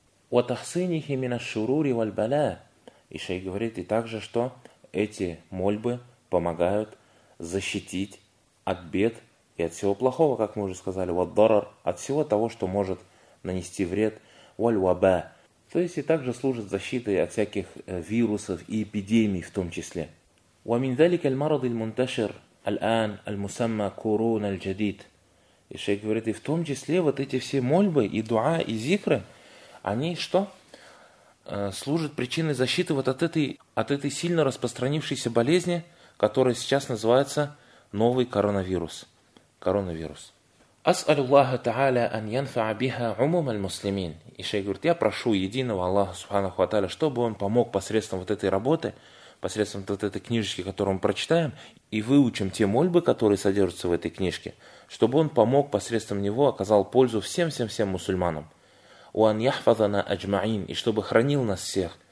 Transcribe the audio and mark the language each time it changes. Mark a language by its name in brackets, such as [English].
[Arabic] «Ватахсынихи мина шурури валь баля». [Russian] И шейх говорит, и также, что эти мольбы помогают защитить от бед и от всего плохого, как мы уже сказали, «ваддарар», от всего того, что может нанести вред. «Валь ваба», То есть и также служит защитой от всяких вирусов и эпидемий в том числе. [Arabic] ومن ذلك المرض المنتشر الآن المسمى كورونا الجديد. [Russian] И шейх говорит, и в том числе вот эти все мольбы и дуа и зикры, они что? Служат причиной защиты вот от этой сильно распространившейся болезни, которая сейчас называется новый коронавирус. Коронавирус. [Arabic] أسأل الله تعالى أن ينفع بها عموم المسلمين. [Russian] И шейх говорит, я прошу единого Аллаха Субханаху ва Тааля, чтобы он помог посредством вот этой работы, посредством вот этой книжечки, которую мы прочитаем, и выучим те мольбы, которые содержатся в этой книжке, чтобы он помог посредством него, оказал пользу всем-всем-всем мусульманам. [Arabic] وَأَنْ يَحْفَظَنَا أَجْمَعِينَ. [Russian] И чтобы хранил нас всех.